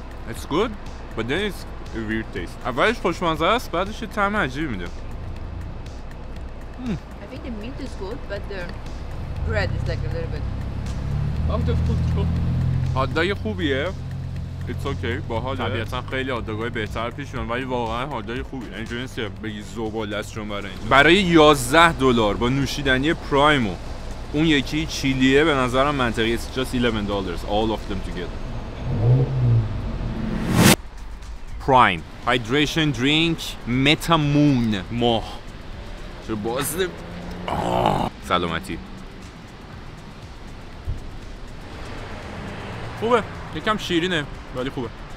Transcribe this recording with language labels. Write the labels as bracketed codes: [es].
[en] It's good, but then it's a weird taste. [fa] اولش خوشمزه است، بعدش یه طعم عجیب میده. [en] I think the meat is good, but the bread is like a little bit out of control. [fa] هات‌داگ خوبیه. [en] It's okay. [fa] باحال. طبیعتا خیلی هات‌داگای بهتر پیش میان، ولی واقعا هات‌داگ خوبی. اینجوری نیست که بگی زباله است چون برای اینجا. برای 11 دلار با نوشیدنی پرایم اون یکی چیلیه به نظرم منطقیه. [en] It's just $11 all of them together. [fa] Prime Hydration Drink Metamoon ماه چرا بازده؟ سلامتی خوبه، یکم شیرینه ولی خوبه.